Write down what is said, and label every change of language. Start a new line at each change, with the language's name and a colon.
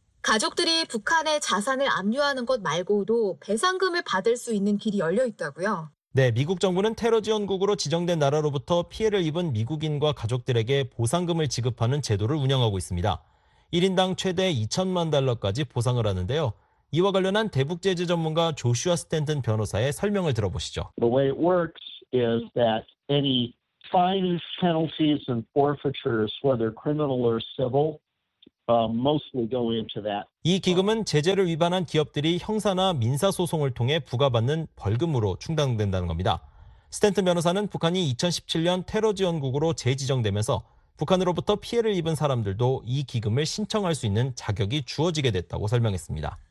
Korean: 가족들이 북한의 자산을 압류하는 것 말고도 배상금을 받을 수 있는 길이 열려 있다고요? 네, 미국 정부는 테러 지원국으로 지정된 나라로부터 피해를 입은 미국인과 가족들에게 보상금을 지급하는 제도를 운영하고 있습니다. 1인당 최대 2천만 달러까지 보상을 하는데요. 이와 관련한 대북 제재 전문가 조슈아 스탠튼 변호사의 설명을 들어보시죠.
English: The way it works is that any fines, penalties, and forfeitures, whether criminal or civil, mostly go into that.
Korean: 이 기금은 제재를 위반한 기업들이 형사나 민사 소송을 통해 부과받는 벌금으로 충당된다는 겁니다. 스탠튼 변호사는 북한이 2017년 테러 지원국으로 재지정되면서 북한으로부터 피해를 입은 사람들도 이 기금을 신청할 수 있는 자격이 주어지게 됐다고 설명했습니다.